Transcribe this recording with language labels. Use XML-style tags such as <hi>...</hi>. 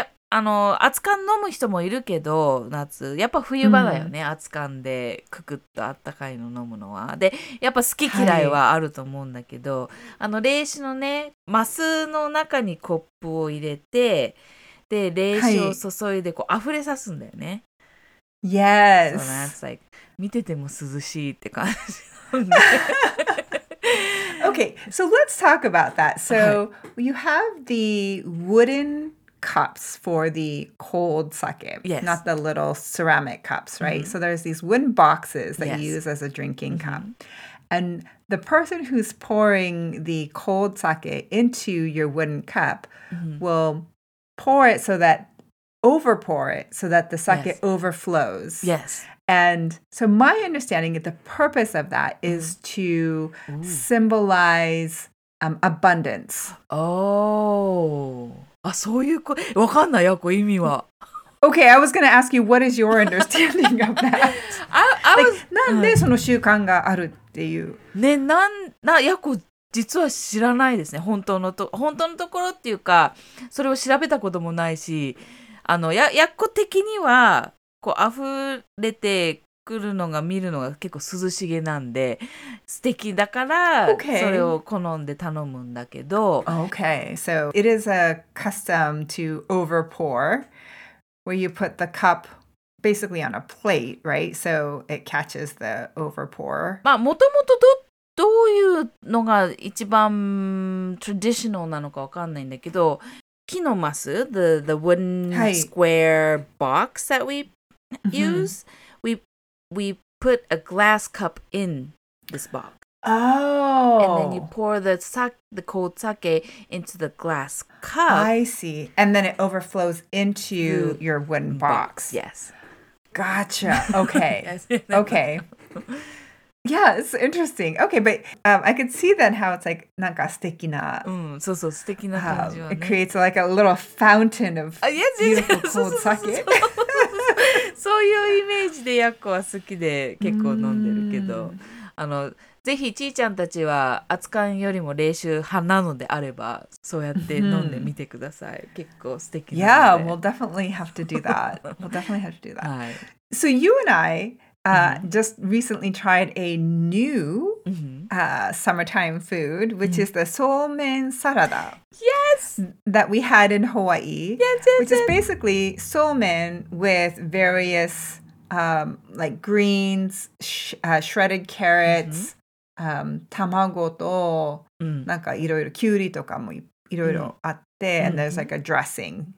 <ja>あの熱燗飲む人もいるけど夏やっぱ冬場だよね、熱燗でくくっとあったかいの飲むのはでやっぱ好き嫌いはあると思うんだけど、あの冷酒のねマスの中にコップを入れてで冷酒を注いでこう溢れさすんだよね。</ja> <en>Yes.</en> <ja>そうなんです、like、見てても涼しいって感じ。</ja> <en>Okay, so let's talk about that. So you have the woodencups for the cold sake, yes. Not the little ceramic cups, right? Mm-hmm. So there's these wooden boxes that yes. you use as a drinking cup. And the person who's pouring the cold sake into your wooden cup will pour it so that, overpour it, so that the sake overflows. Yes. And so my understanding is the purpose of that is to symbolize abundance. Oh...</en> <ja>あ、そういうこと、わかんないやこ意味は。</ja> <en>Okay, I was gonna ask you, what is your understanding of that?</en> <ja>なんでその習慣があるっていう。ね、なんやこ実は知らないですね。本当のところっていうか、それを調べたこともないし、あのやこ的にはこう溢れてくるのが見るのが結構涼しげなんで素敵だから、</ja> <en>okay.</en> <ja>それを好んで頼むんだけど。</ja> <en>Okay, so it is a custom to overpour, where you put the cup basically on a plate, right? So it catches the overpour.</en> <ja>まあ元々どういうのが一番 traditional なのかわかんないんだけど、木のマス</ja> <en>the wooden square box that we use、</en> <ja>mm-hmm.</ja> <en>We put a glass cup in this box. Oh. And then you pour the cold sake into the glass cup. I see. And then it overflows into your wooden box. Yes. Gotcha. Okay. Okay. Yeah, it's interesting. Okay, but I could see then how it's like,</en> <ja>なんか素敵な。そうそう、素敵な感じはね。</ja> <en>It creates like a little fountain of beautiful cold sake.</en> <ja>そういうイメージでやっこは好きで結構飲んでるけど、あのぜひちーちゃんたちは熱燗よりも冷酒派なのであればそうやって飲んでみてください。結構素敵なので。</ja> <en>Yeah, we'll definitely have to do that. We'll definitely have to do that. 、</en> <ja>はい、</ja> <en>So you and I just recently tried a new summertime food, which is the somen salada. Yes! That we had in Hawaii. Yes, yes, which is basically somen with various, like, greens, shredded carrots,</en> <ja>tamago to, nanka iroiro, kiwi to ka mo iroiro atte,</ja> <en>and there's like a dressing.</en>